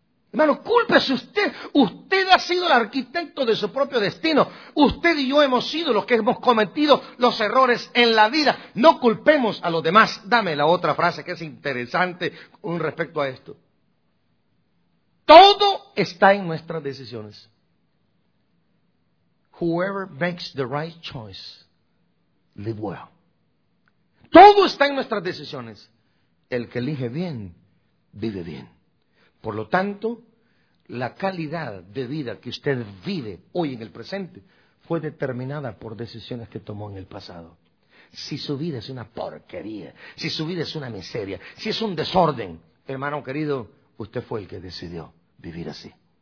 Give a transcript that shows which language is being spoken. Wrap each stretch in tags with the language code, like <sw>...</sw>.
<es>Hermano, cúlpese usted. Usted ha sido el arquitecto de su propio destino. Usted y yo hemos sido los que hemos cometido los errores en la vida. No culpemos a los demás. Dame la otra frase que es interesante con respecto a esto. Todo está en nuestras decisiones.</es> <en>Whoever makes the right choice, live well.</en> <es>Todo está en nuestras decisiones. El que elige bien, vive bien. Por lo tanto, la calidad de vida que usted vive hoy en el presente fue determinada por decisiones que tomó en el pasado. Si su vida es una porquería, si su vida es una miseria, si es un desorden, hermano querido, usted fue el que decidió vivir así.</es>